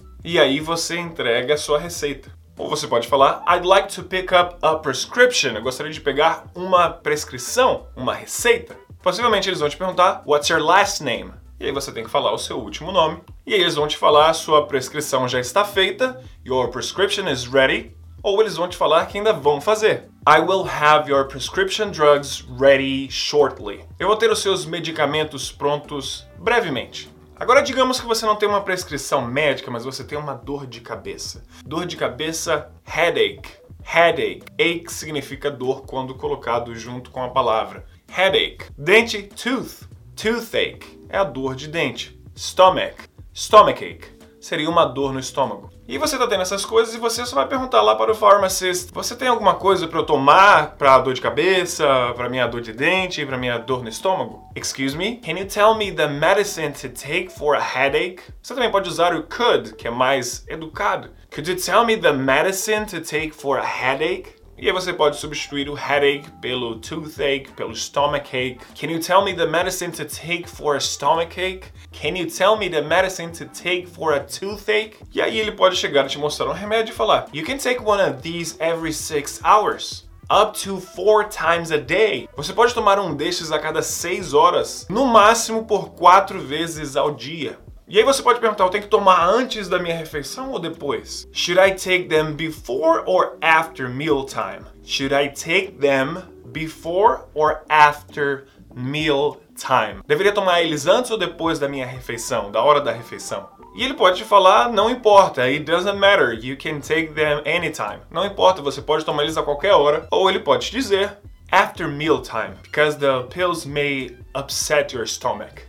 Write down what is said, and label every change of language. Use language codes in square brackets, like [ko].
[pt] E aí você entrega a sua receita. Ou você pode falar, [en] I'd like to pick up a prescription. [pt] Eu gostaria de pegar uma prescrição, uma receita. Possivelmente eles vão te perguntar, [en] what's your last name? [pt] E aí você tem que falar o seu último nome. E aí eles vão te falar, sua prescrição já está feita. [en] Your prescription is ready. [pt] Ou eles vão te falar que ainda vão fazer. [en] I will have your prescription drugs ready shortly. [pt] Eu vou ter os seus medicamentos prontos brevemente. Agora digamos que você não tem uma prescrição médica, mas você tem uma dor de cabeça. Dor de cabeça, headache. Headache. Ache significa dor quando colocado junto com a palavra. Headache. Dente, tooth. Toothache. É a dor de dente. Stomach. Stomachache. Seria uma dor no estômago. E você tá tendo essas coisas e você só vai perguntar lá para o pharmacist, você tem alguma coisa para eu tomar para dor de cabeça, para minha dor de dente, para minha dor no estômago? [en] Excuse me? Can you tell me the medicine to take for a headache? [pt] Você também pode usar o could, que é mais educado. [en] Could you tell me the medicine to take for a headache? [pt] E aí você pode substituir o headache pelo toothache, pelo stomachache. [en] Can you tell me the medicine to take for a stomachache? Can you tell me the medicine to take for a toothache? [pt] E aí ele pode chegar e te mostrar um remédio e falar, [en] you can take one of these every 6 hours, up to 4 times a day. [pt] Você pode tomar um desses a cada 6 horas, no máximo por 4 vezes ao dia. E aí você pode perguntar, eu tenho que tomar antes da minha refeição ou depois? [en] Should I take them before or after mealtime? Should I take them before or after mealtime? [pt] Deveria tomar eles antes ou depois da minha refeição, da hora da refeição? E ele pode te falar, não importa, [en] it doesn't matter, you can take them anytime. [pt] Não importa, você pode tomar eles a qualquer hora. Ou ele pode te dizer, [en] after mealtime, because the pills may upset your stomach.